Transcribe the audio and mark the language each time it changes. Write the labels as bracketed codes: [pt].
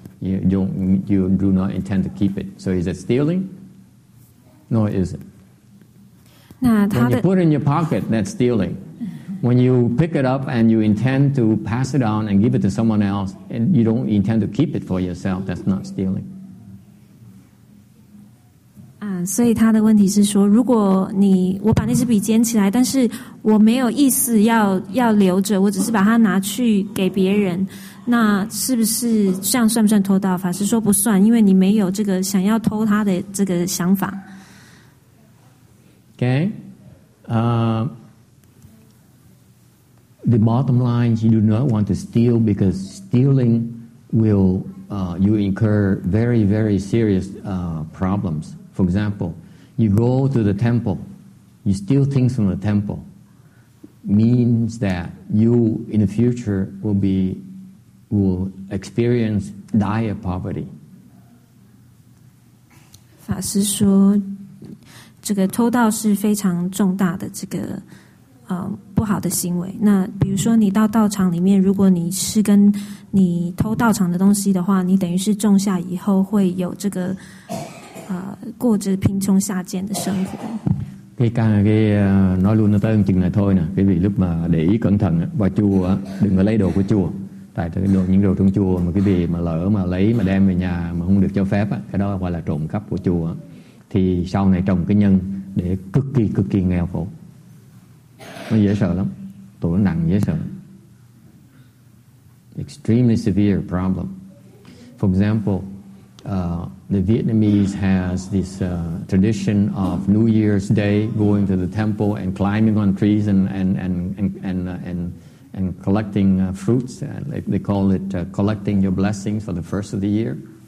[en] You do not intend to keep it. So is it stealing? No, is it? When you put it in your pocket, that's stealing. When you pick it up and you intend to pass it on and give it to someone else, and you don't intend to keep it for yourself, that's not stealing. [zh] 所以他的问题是说，如果你我把那支笔捡起来，但是我没有意思要留着，我只是把它拿去给别人，那是不是这样算不算偷盗？法师说不算，因为你没有这个想要偷他的这个想法。 [en] Okay, the bottom line, you do not want to steal because stealing will you incur very very serious problems. For example, you go to the temple, you steal things from the temple, means that you in the future will experience dire poverty. [zh] 法师说，这个偷盗是非常重大的这个不好的行为。那比如说，你到道场里面，如果你是跟你偷道场的东西的话，你等于是种下以后会有这个。过着贫穷下贱的生活。 [vi] Nói luôn nó tới chừng này thôi nè. Cái vị lúc mà để ý cẩn thận vào chùa, đừng có lấy đồ của chùa. Tại những đồ trong chùa mà cái vị mà lỡ mà lấy mà đem về nhà mà không được cho phép, cái đó gọi là trộm cắp của chùa. Thì sau này trồng cái nhân để cực kỳ nghèo khổ. Nó dễ sợ lắm. Tụi nó nặng dễ sợ. [en] extremely severe problem. For example, the Vietnamese has this tradition of New Year's Day, going to the temple and climbing on trees and collecting fruits. They call it collecting your blessings for the first of the year.